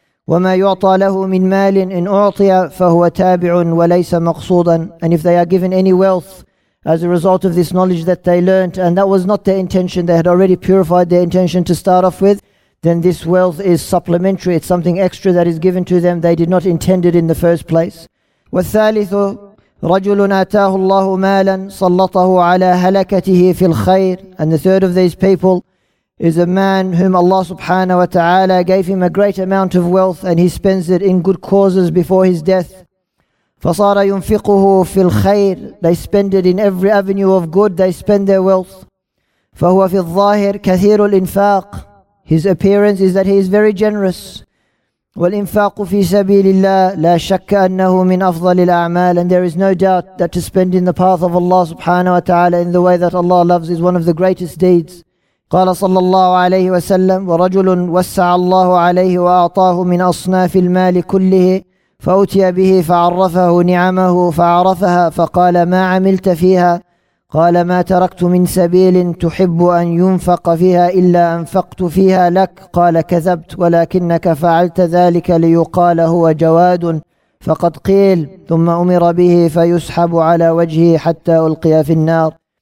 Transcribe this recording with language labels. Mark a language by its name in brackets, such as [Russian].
[Arabic] وَمَا يُعْطَى لَهُ مِنْ مَالٍ إِنْ أُعْطِيَ فَهُوَ تَابِعٌ وَلَيْسَ مَقْصُودًا. [English] And if they are given any wealth as a result of this knowledge that they learnt, and that was not their intention, they had already purified their intention to start off with, then this wealth is supplementary, it's something extra that is given to them, they did not intend it in the first place. [Arabic] وَالثَّالِثُ رجل آتاه الله مالا سلطه على هلكته في الخير. [English] And the third of these people is a man whom Allah subhanahu wa ta'ala gave him a great amount of wealth and he spends it in good causes before his death. [Arabic] فصار ينفقه في الخير. [English] They spend it in every avenue of good, they spend their wealth. [Arabic] فهو في الظاهر كثير الإنفاق. [English] His appearance is that he is very generous. [Arabic] وَالْإِنْفَاقُ فِي سَبِيلِ اللَّهِ لَا شَكَّ أَنَّهُ مِنْ أَفْضَلِ الْأَعْمَالِ. [English] And there is no doubt that to spend in the path of Allah subhanahu wa ta'ala in the way that Allah loves is one of the greatest deeds. [Arabic] قَالَ صَلَّى اللَّهُ عَلَيْهِ وَسَلَّمُ وَرَجُلٌ وَسَّعَ اللَّهُ عَلَيْهِ وَأَعْطَاهُ مِنْ أَصْنَافِ الْمَالِ كُلِّهِ فَأُتِيَ بِهِ فَعَرَّفَهُ نِعَمَهُ فَعَرَفَهَا فَقَالَ مَا عَمِلْتَ فِيهَا قَالَ مَا تَرَكْتُ مِنْ سَبِيلٍ تُحِبُّ أَنْ يُنْفَقَ فِيهَا إِلَّا أَنْفَقْتُ فِيهَا لَكَ قَالَ كَذَبْتُ وَلَكِنَّكَ فَعَلْتَ ذَلِكَ لِيُقَالَ هُوَ جَوَادٌ فَقَدْ قِيلَ ثُمَّ أُمِرَ بِهِ فَيُسْحَبُ عَلَى وَجْهِهِ حَتَّى أُلْقِيَ فِي النَّارِ.